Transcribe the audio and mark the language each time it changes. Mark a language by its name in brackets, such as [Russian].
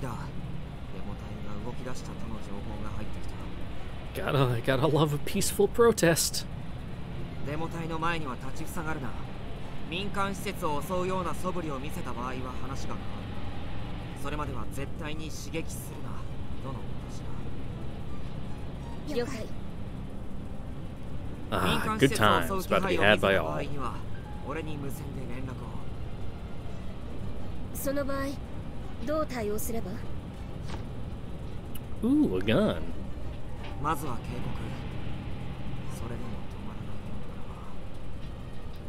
[Japanese] デモ隊が動き出したとの情報が入ってきた。 [English] Gotta love a peaceful protest. [Japanese] デモ隊の前には立ちふさがるな。民間施設を襲うような素振りを見せた場合は話が変わる。それまでは絶対に刺激するな。どの私は。了解。 [English] Good times about to be had by all. [Japanese] 俺に無線で連絡を。その場合どう対応すれば？ [English] Ooh, a gun. [Japanese] まずは警告。それでも止まらないのならば。